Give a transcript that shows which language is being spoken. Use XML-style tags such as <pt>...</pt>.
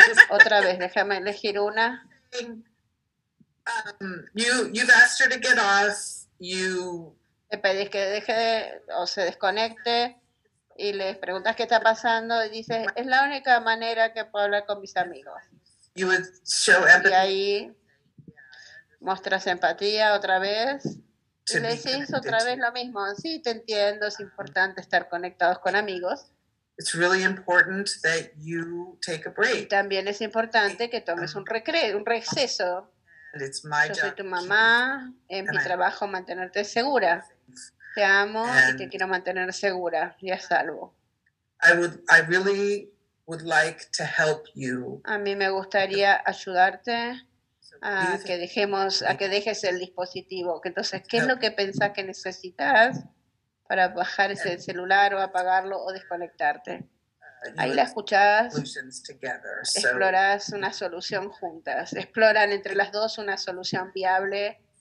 <es>Otra vez, déjame elegir una.</es> <en>You've asked her to get off. you</en> <es>le pedís que deje de, o se desconecte y les preguntas qué está pasando y dices es la única manera que puedo hablar con mis amigos.</es> <en>You would show empathy.</en> <es>Y ahí mostras empatía otra vez y le decís otra vez lo mismo. Sí, te entiendo, es importante estar conectados con amigos.</es> <en>It's really important that you take a break.</en> <es>También es importante que tomes un recreo, un receso.</es> <en>And it's my</en> <es>yo soy tu mamá, en mi trabajo mantenerte segura. Te amo y te quiero mantener segura y a salvo.</es> <en>I really would like to help you.</en> <es>A mí me gustaría ayudarte a que dejemos, a que dejes el dispositivo. Entonces, ¿qué es lo que pensás que necesitas para bajar ese celular o apagarlo o desconectarte? Ahí la escuchás, explorás una solución juntas, exploran entre las dos una solución viable.</es>